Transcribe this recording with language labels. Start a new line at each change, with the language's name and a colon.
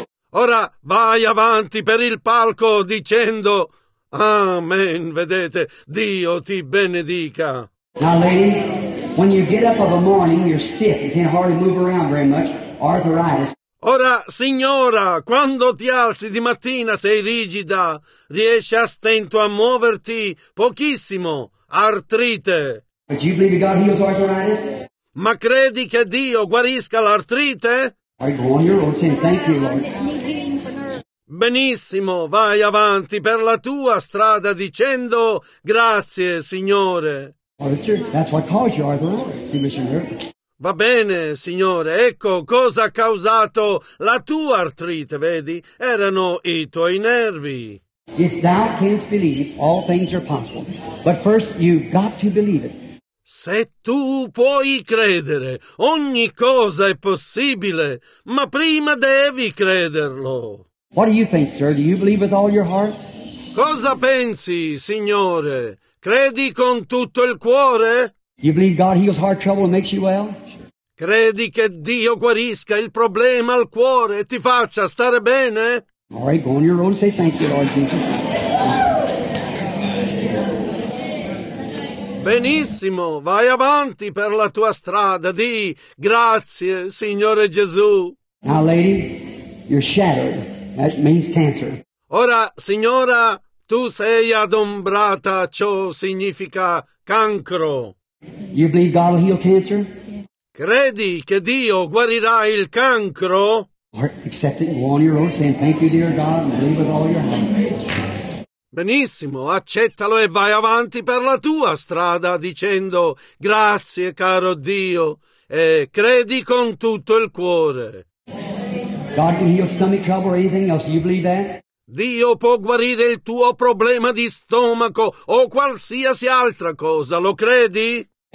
Italian: Ora, vai avanti per il palco dicendo Amen, vedete, Dio ti benedica.
English: Now, lady, when you get up of a morning, you're stiff, you can't hardly move around very much, arthritis.
Italian: Ora, signora, quando ti alzi di mattina sei rigida, riesci a stento a muoverti pochissimo, artrite.
English: But you believe God heals arthritis?
Italian: Ma credi che Dio guarisca l'artrite?
English: I go on your own saying, thank you, Lord.
Italian: Benissimo, vai avanti per la tua strada dicendo grazie, Signore.
English: That's what caused you, Arthur.
Italian: Va bene, signore, ecco cosa ha causato la tua artrite, vedi? Erano i tuoi nervi.
English: If thou canst believe, all things are possible. But first you've got to believe it.
Italian: Se tu puoi credere, ogni cosa è possibile, ma prima devi crederlo.
English: What do you think, sir? Do you believe with all your heart?
Italian: Cosa pensi, signore? Credi con tutto il cuore?
English: You believe God heals heart trouble and makes you well?
Italian: Credi che Dio guarisca il problema al cuore e ti faccia stare bene?
English: All right, go on your road and say thank you, Lord Jesus.
Italian: Benissimo, vai avanti per la tua strada. Di grazie, Signore Gesù.
English: Now, lady, you're shattered. That means cancer.
Italian: Ora, signora, tu sei adombrata. Ciò significa cancro.
English: You believe God will heal cancer?
Italian: Credi che Dio guarirà il cancro?
English: Accept it and go on your own saying thank you, dear God, and believe with all your heart.
Italian: Benissimo, accettalo e vai avanti per la tua strada dicendo grazie, caro Dio, e credi con tutto il cuore.
English: God can heal stomach trouble or anything else. Do you believe that?
Italian: Dio può guarire il tuo problema di stomaco o qualsiasi altra cosa. Lo credi?